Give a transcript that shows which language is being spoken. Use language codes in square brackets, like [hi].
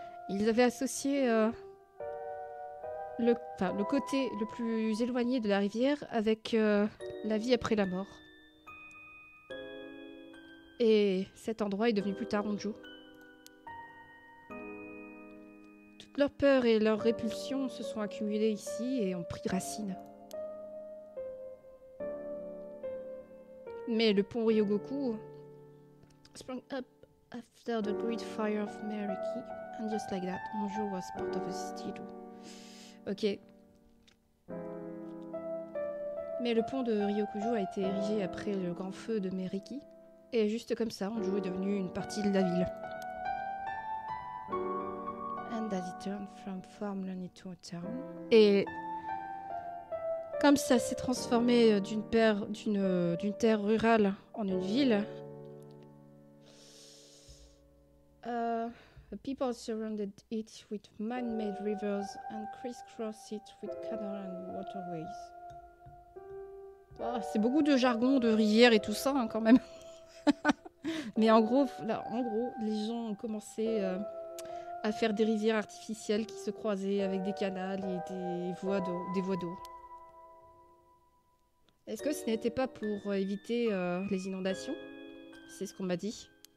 [fr] Ils avaient associé le côté le plus éloigné de la rivière avec la vie après la mort. Et cet endroit est devenu plus tard Honjo. Toutes leurs peurs et leurs répulsions se sont accumulées ici et ont pris racine. Mais le pont [en] Ryogoku sprung up after the great fire of Meraki, and just like that, Honjo was part of a city too. [fr] Ok. Mais le pont de Ryokujo a été érigé après le grand feu de Meraki, et juste comme ça, Honjo est devenu une partie de la ville. [en] And as it turned from farmland into a town. [fr] Et comme ça s'est transformé d'une terre rurale en une ville. [en] The people surrounded it with man-made rivers and criss-cross it with canals and waterways. [fr] Oh, c'est beaucoup de jargon de rivière et tout ça hein, quand même. Mais en gros, là, en gros, les gens ont commencé à faire des rivières artificielles qui se croisaient avec des canals et des voies d'eau. Est-ce que ce n'était pas pour éviter les inondations? C'est ce qu'on m'a dit.